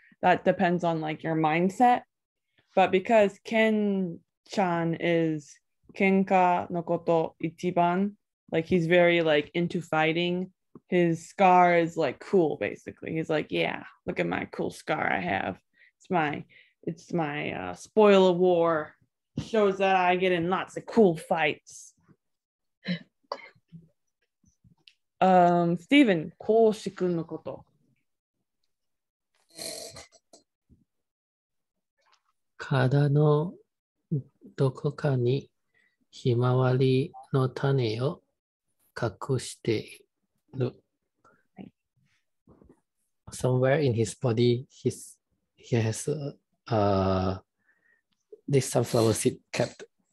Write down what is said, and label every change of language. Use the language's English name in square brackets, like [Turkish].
[English] That depends on like your mindset. But because Ken-chan is [Japanese] kenka no koto ichiban, [English] like he's very like into fighting, his scar is like cool basically. He's like, yeah, look at my cool scar I have. It's my spoil of war. Shows that I get in lots of cool fights. [Japanese] スティーブン、コウシ君のこと。体のどこかにひまわりの種を隠している。はい、 [English] Somewhere in his body, he has this sunflower seed kept.